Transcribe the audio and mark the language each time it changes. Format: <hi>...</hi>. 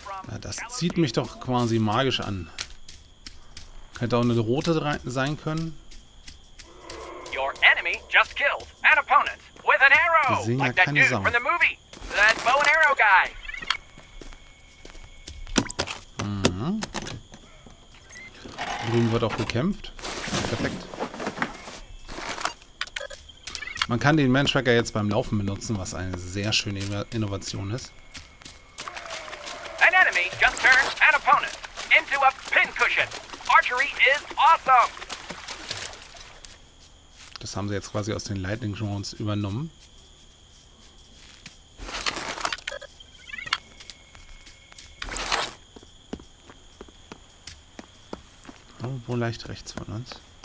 <de>Ja, das zieht mich doch quasi magisch an. Hätte auch eine rote sein können.</de> <en>Your enemy just killed an opponent with an arrow.</en> <de>Wir sehen ja keine Sau.</de> <en>From the movie. That bow and arrow guy.</en> <de>Drüben wird auch gekämpft. Perfekt. Man kann den Man-Tracker jetzt beim Laufen benutzen, was eine sehr schöne Innovation ist.</de> <en>An enemy just turned an opponent into a pincushion. Archery is awesome.</en> <de>Das haben sie jetzt quasi aus den Lightning Rounds übernommen. Irgendwo leicht rechts von uns.</de>